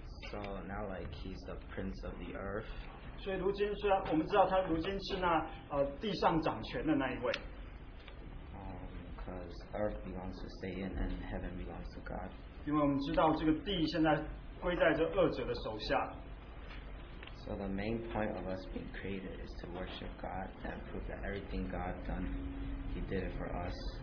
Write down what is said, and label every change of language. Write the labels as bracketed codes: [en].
[en] So now like he's the prince of the earth. [zh] 所以如今虽然我们知道他如今是那地上掌权的那一位。 [en] Because earth belongs to Satan and heaven belongs to God. [zh] 因为我们知道这个地现在归在这二者的手下。 [en] So the main point of us being created is to worship God and prove that everything God done, He did it for us.